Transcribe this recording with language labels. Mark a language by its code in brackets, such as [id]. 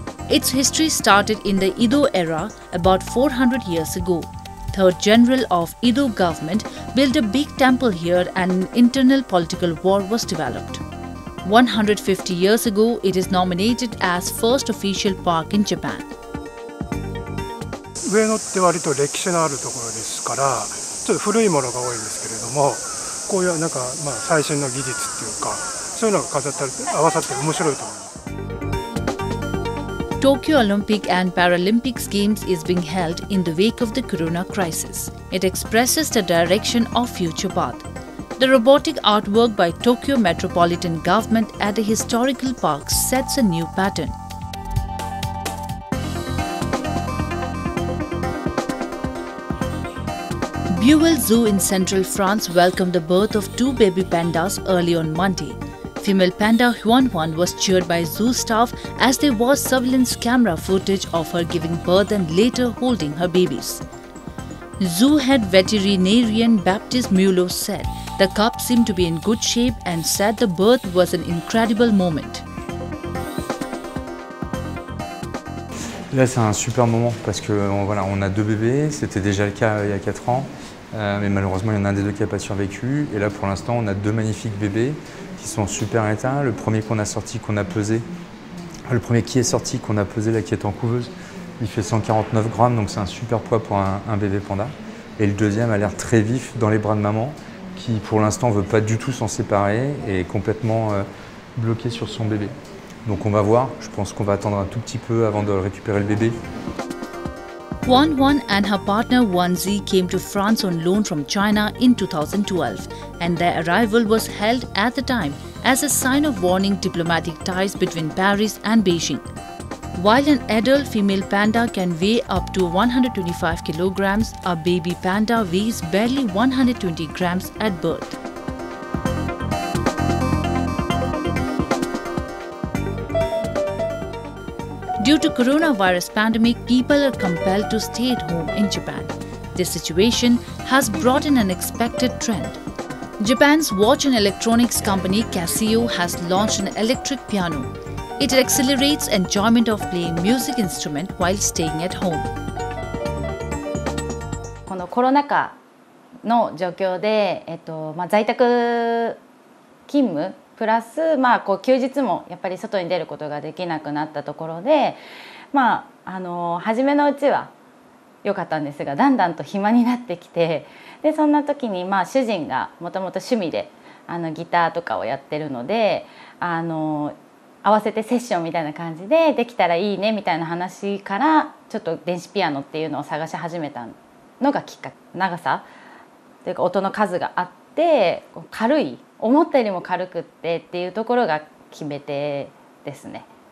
[en] Its history started in the Edo era about 400 years ago. Third general of Edo government built a big temple here and an internal political war was developed. 150 years ago, it is nominated as first official park in Japan. [ja] 上野って割と歴史のあるところですから、ちょっと古いものが多いんですけれども、こういうなんか最新の技術っていうか、そういうのが飾ってある、合わさって面白いと思います。 [en] Tokyo Olympic and Paralympic Games is being held in the wake of the Corona crisis. It expresses the direction of future path. The robotic artwork by Tokyo Metropolitan Government at a historical park sets a new pattern. Buell Zoo in central France welcomed the birth of two baby pandas early on Monday. Female panda Huan Huan was cheered by zoo staff as there was surveillance camera footage of her giving birth and later holding her babies. Zoo head veterinarian Baptist Mulo said the cub seemed to be in good shape and said the birth was an incredible moment. [fr] Là, c'est un super moment parce que voilà, on a deux bébés, c'était déjà le cas il y a 4 ans, mais malheureusement, il y en a un des deux qui n'a pas survécu. Et là, pour l'instant, on a deux magnifiques bébés qui sont en super état. Le premier qu'on a sorti, qu'on a pesé, le premier qui est sorti, qu'on a pesé, là, qui est en couveuse, il fait 149 grammes, donc c'est un super poids pour un bébé panda. Et le deuxième a l'air très vif dans les bras de maman, qui pour l'instant ne veut pas du tout s'en séparer et est complètement bloqué sur son bébé. Donc on va voir, je pense qu'on va attendre un tout petit peu avant de récupérer le bébé. [en] Huan Huan and her partner Wan Zi came to France on loan from China in 2012, and their arrival was held at the time as a sign of warning diplomatic ties between Paris and Beijing. While an adult female panda can weigh up to 125 kilograms, a baby panda weighs barely 120 grams at birth. Due to coronavirus pandemic, people are compelled to stay at home in Japan. This situation has brought in an unexpected trend. Japan's watch and electronics company Casio has launched an electric piano. It accelerates enjoyment of playing music instrument while staying at home. [ja] この coronaka の状況で、在宅勤務プラス、こう休日もやっぱり外に出ることができなくなったところで、初めのうちは良かったんですが、だんだんと暇になってきて、でそんな時に主人がもともと趣味でギターとかをやってるので、合わせてセッションみたいな感じでできたらいいねみたいな話からちょっと電子ピアノっていうのを探し始めたのがきっかけ、長さというか音の数があって軽い、思ったよりも軽くってっていうところが決め手ですね。